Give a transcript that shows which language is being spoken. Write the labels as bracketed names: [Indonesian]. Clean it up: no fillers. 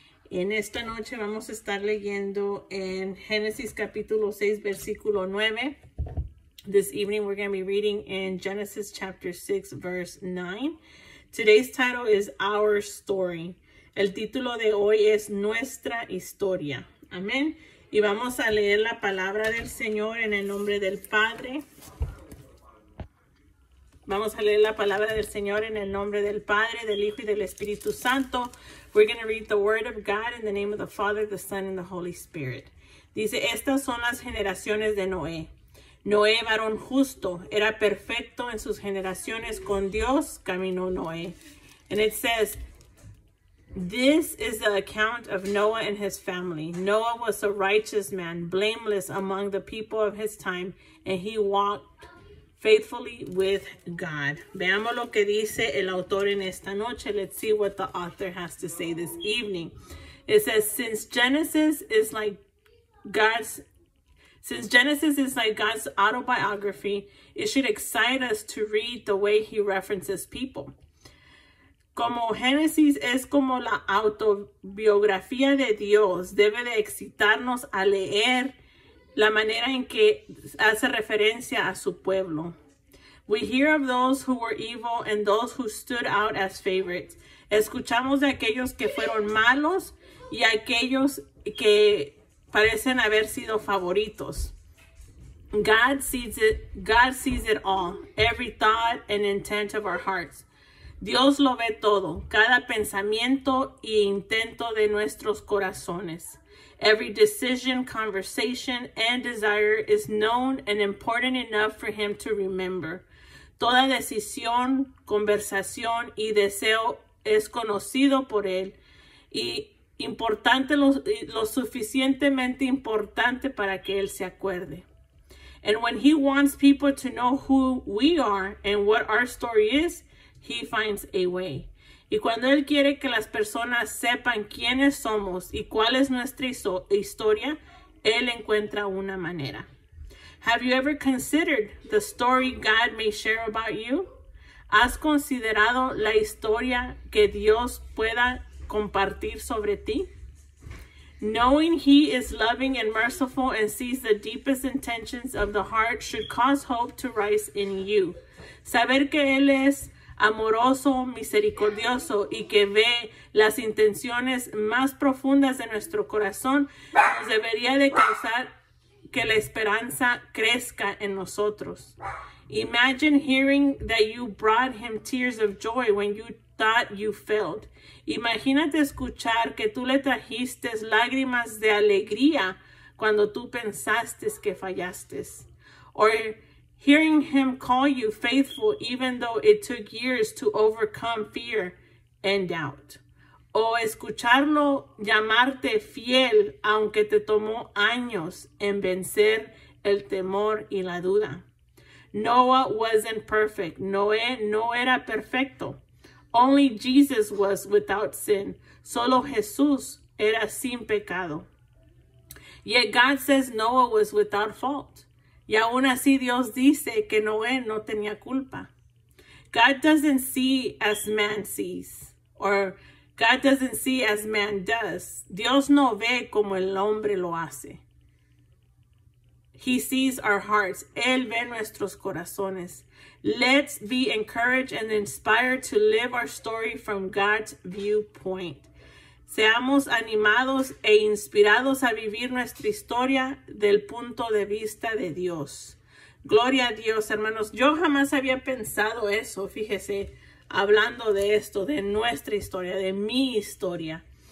[Spanish] En esta noche vamos a estar leyendo en Génesis capítulo 6, versículo 9. [English] This evening we're going to be reading in Genesis chapter 6, verse 9. Today's title is Our Story. [Spanish] El título de hoy es Nuestra Historia. Amén. Y vamos a leer la palabra del Señor en el nombre del Padre. Vamos a leer la palabra del Señor en el nombre del Padre, del Hijo y del Espíritu Santo. [English] We're going to read the word of God in the name of the Father, the Son, and the Holy Spirit. [Spanish] Dice, estas son las generaciones de Noé. Noé, varón justo, era perfecto en sus generaciones con Dios, caminó Noé. [English] And it says, this is the account of Noah and his family. Noah was a righteous man, blameless among the people of his time, and he walked faithfully with God. [Spanish] Veamos lo que dice el autor en esta noche. [English] Let's see what the author has to say this evening. It says, since Genesis is like God's autobiography, it should excite us to read the way he references people. [Spanish] Como Génesis es como la autobiografía de Dios, debe de excitarnos a leer la manera en que hace referencia a su pueblo. [English] We hear of those who were evil and those who stood out as favorites. [Spanish] Escuchamos de aquellos que fueron malos y aquellos que parecen haber sido favoritos. [English] God sees it all, every thought and intent of our hearts. [Spanish] Dios lo ve todo, cada pensamiento e intento de nuestros corazones. [English] Every decision, conversation, and desire is known and important enough for him to remember. [Spanish] Toda decisión, conversación y deseo es conocido por él y importante lo suficientemente importante para que él se acuerde. [English] And when he wants people to know who we are and what our story is, he finds a way. [Spanish] Y cuando él quiere que las personas sepan quiénes somos y cuál es nuestra historia, él encuentra una manera. [English] Have you ever considered the story God may share about you? [Spanish] ¿Has considerado la historia que Dios pueda compartir sobre ti? [English] Knowing he is loving and merciful and sees the deepest intentions of the heart should cause hope to rise in you. [Spanish] Saber que él es amoroso, misericordioso, y que ve las intenciones más profundas de nuestro corazón, nos debería de causar que la esperanza crezca en nosotros. [English] Imagine hearing that you brought him tears of joy when you thought you failed. [Spanish] Imagínate escuchar que tú le trajiste lágrimas de alegría cuando tú pensaste que fallaste. [English] Or hearing him call you faithful, even though it took years to overcome fear and doubt. [Spanish] O escucharlo llamarte fiel, aunque te tomó años en vencer el temor y la duda. [English] Noah wasn't perfect. [Spanish] Noé no era perfecto. [English] Only Jesus was without sin. [Spanish] Solo Jesús era sin pecado. [English] Yet God says Noah was without fault. [Spanish] Y aún así Dios dice que Noé no tenía culpa. [English] God doesn't see as man sees. Or God doesn't see as man does. [Spanish] Dios no ve como el hombre lo hace. [English] He sees our hearts. [Spanish] Él ve nuestros corazones. [English] Let's be encouraged and inspired to live our story from God's viewpoint. [Spanish] Seamos animados e inspirados a vivir nuestra historia del punto de vista de Dios. Gloria a Dios, hermanos. Yo jamás había pensado eso, fíjese, hablando de esto, de nuestra historia, de mi historia.